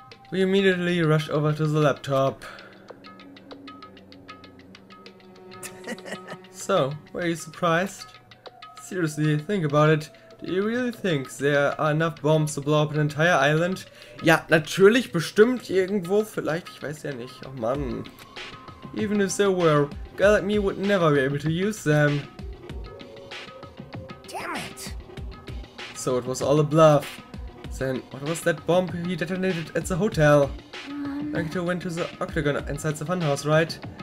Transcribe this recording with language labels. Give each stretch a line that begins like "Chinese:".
English: We immediately rushed over to the laptop. So, were you surprised? Seriously, think about it. Do you really think there are enough bombs to blow up an entire island?
German: Ja, natürlich, bestimmt irgendwo, vielleicht, ich weiß ja nicht.
English: Oh man. Even if there were, a guy like me would never be able to use them. So it was all a bluff. Then, what was that bomb he detonated at the hotel? Nagito went to the octagon inside the funhouse, right?